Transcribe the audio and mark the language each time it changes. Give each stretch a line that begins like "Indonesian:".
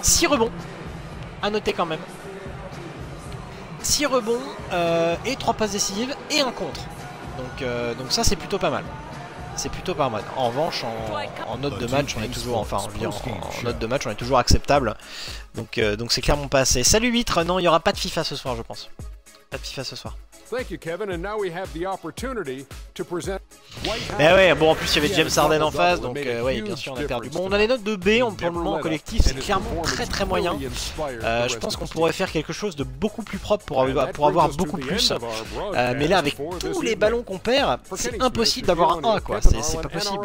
French: 6 rebonds, à noter quand même. 6 rebonds, et 3 passes décisives, et un contre. Donc ça, c'est plutôt pas mal. C'est plutôt pas mal. En revanche, en note de match, on est toujours, acceptable. Donc c'est clairement pas assez. Salut Huître, non, il y aura pas de FIFA ce soir, je pense. Pas de FIFA ce soir.
English: Thank you, Kevin. And now we have the opportunity to present.
French: Eh ouais, bon, en plus il y avait James Harden en face, donc ouais, bien sûr on a perdu. Bon, on a les notes de B pour le moment en collectif, c'est clairement très très moyen. Je pense qu'on pourrait faire quelque chose de beaucoup plus propre pour avoir beaucoup plus. Mais là, avec tous les ballons qu'on perd, c'est impossible d'avoir un A, quoi. C'est pas possible.